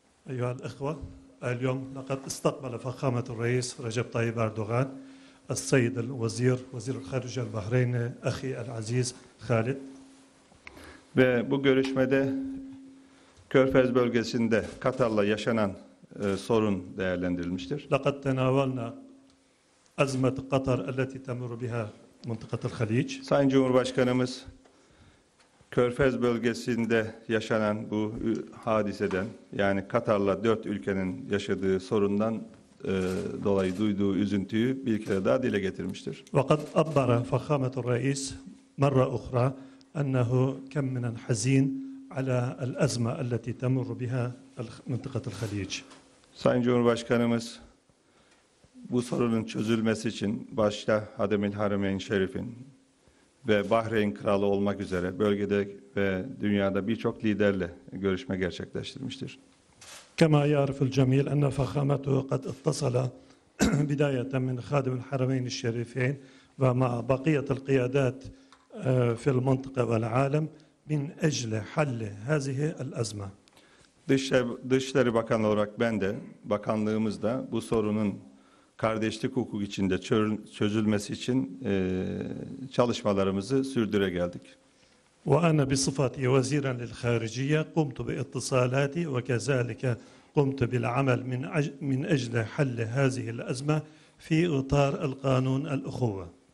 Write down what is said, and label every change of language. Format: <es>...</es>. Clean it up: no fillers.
<ar>أيها الأخوة، اليوم لقد استقبل فخامة الرئيس رجب طيب أردوغان السيد الوزير وزير الخارجية البحرين أخي العزيز خالد.</ar> <tr>وبو görüşmede Körfez bölgesinde Katar'la yaşanan sorun değerlendirilmiştir.</tr> <ar>لقد تناولنا أزمة قطر التي تمر بها منطقة الخليج.</ar> <tr>Sayın Cumhurbaşkanımız Körfez bölgesinde yaşanan bu hadiseden yani Katar'la dört ülkenin yaşadığı sorundan dolayı duyduğu üzüntüyü bir kere daha dile getirmiştir.</tr> <ar>وقد أبر فخامة الرئيس مرة أخرى أنه كم من حزين على الأزمة التي تمر بها منطقة الخليج.</ar> <tr>Sayın Cumhurbaşkanımız bu sorunun çözülmesi için başta Hademül Harameyn Şerif'in ve Bahreyn Kralı olmak üzere bölgede ve dünyada birçok liderle görüşme gerçekleştirmiştir.</tr> <ar>كما يعرف الجميع أن فخامته قد اتصل بداية من خادم الحرمين الشريفين ومع بقية القيادات في المنطقة والعالم من أجل حل هذه الأزمة.</ar> <tr>Dışişleri Bakanı olarak ben de bakanlığımızda bu sorunun kardeşlik hukuk içinde çözülmesi için çalışmalarımızı sürdüre geldik.</tr> <ar>وأنا بصفتي وزيرا للخارجية قمت باتصالاتي وكذلك قمت بالعمل من أجل حل هذه الأزمة في إطار القانون الأخوة.</ar>